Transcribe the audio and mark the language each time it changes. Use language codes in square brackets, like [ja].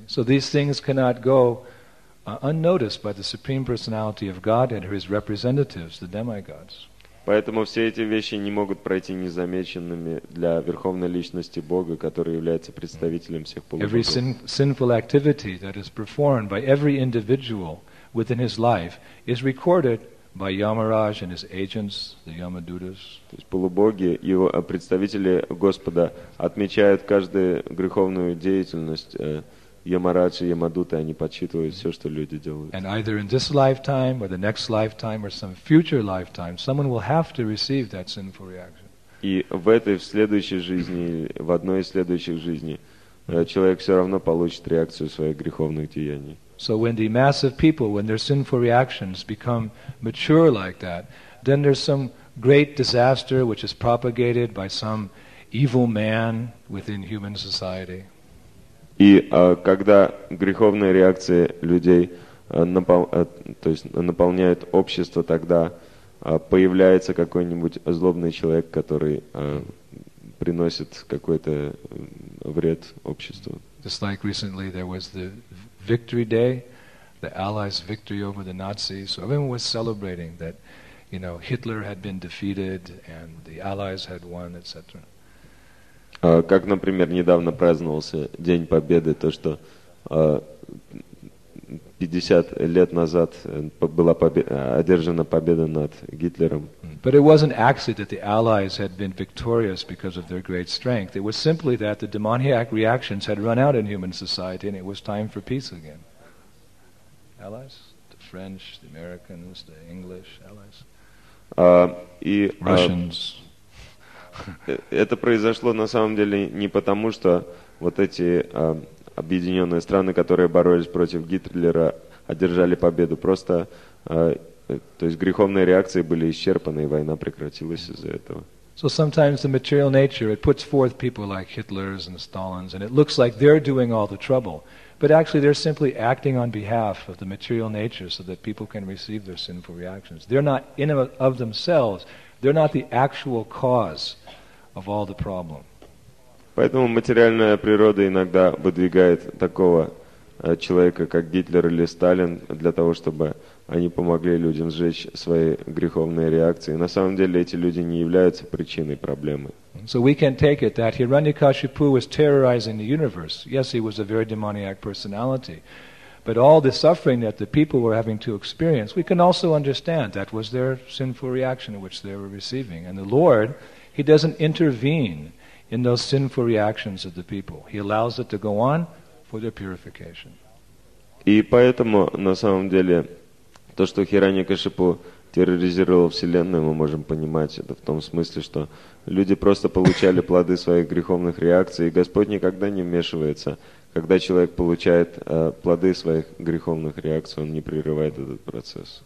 [en] So these things cannot go unnoticed by the Supreme Personality of God and His representatives, the demigods. [ru] Поэтому все эти вещи не могут пройти незамеченными для Верховной Личности Бога, который является представителем всех полубогов. [en] Every sinful activity that is performed by every individual within his life is recorded by Yamaraj and his agents, the Yamadutas. [ru] То есть полубоги, его представители Господа, отмечают каждую греховную деятельность Ямарадж и Ямадуты, они подсчитывают все, что люди делают. [en] And either in this lifetime or the next lifetime or some future lifetime, someone will have to receive that sinful reaction. [ru] И в этой, в следующей жизни, в одной из следующих жизней, человек все равно получит реакцию своих греховных деяний. [en] So when the mass of people, when their sinful reactions become mature like that, then there's some great disaster which is propagated by some evil man within human society. [ru] И когда греховные реакции людей наполняют общество, тогда появляется какой-нибудь злобный человек, который приносит какой-то вред обществу. [en] Just like recently there was the Victory Day, the Allies' victory over the Nazis. So everyone was celebrating that, you know, Hitler had been defeated and the Allies had won, etc. [ru] Как, например, недавно праздновался День Победы, то, что 50 лет назад была одержана победа над Гитлером. [en] But it wasn't actually that the Allies had been victorious because of their great strength. It was simply that the demoniac reactions had run out in human society and it was time for peace again. Allies? The French, the Americans, the English, Allies? Russians. [ru] Это произошло на самом деле не потому, что вот эти объединенные страны, которые боролись против Гитлера, одержали победу. Просто, то есть греховные реакции были исчерпаны, и война прекратилась из-за этого. [en] So sometimes the material nature, it puts forth people like Hitler's and Stalin's, and it looks like they're doing all the trouble. But actually they're simply acting on behalf of the material nature so that people can receive their sinful reactions. They're not in and of themselves, they're not the actual cause of all the problem. [ru] Поэтому материальная природа иногда выдвигает такого человека, как Гитлер или Сталин, для того, чтобы они помогли людям сжечь свои греховные реакции. На самом деле эти люди не являются причиной проблемы. [en] So we can take it that Hiranyakashipu was terrorizing the universe. Yes, he was a very demoniac personality. But all the suffering that the people were having to experience, we can also understand that was their sinful reaction which they were receiving. And the Lord, he doesn't intervene in those sinful reactions of the people. He allows it to go on for their purification. [ru] И поэтому, на самом деле, то, что Хираньякашипу терроризировал Вселенную, мы можем понимать это в том смысле, что люди просто получали плоды своих греховных реакций, и Господь никогда не вмешивается. Когда человек получает плоды своих греховных реакций, он не прерывает этот процесс.